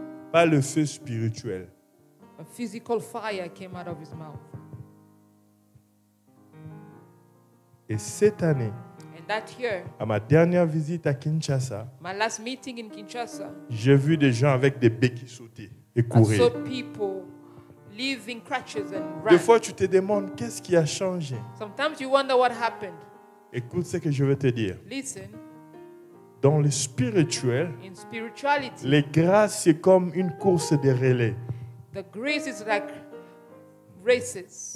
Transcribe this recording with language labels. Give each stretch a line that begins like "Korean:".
French: Pas le feu spirituel.
English: A physical fire came out of his mouth.
French: Et cette année,
English: that year,
French: à ma dernière visite à Kinshasa,
English: my last meeting in Kinshasa,
French: j'ai vu des gens avec des béquilles sautées. et courir.
English: I saw people live in crutches and run.
French: Des fois, tu te demandes qu'est-ce qui a changé.
English: Sometimes you wonder what happened.
French: Écoute ce que je vais te dire.
English: Listen.
French: Dans le spirituel,
English: in spirituality,
French: les grâces c'est comme une course de relais.
English: The grace is like races.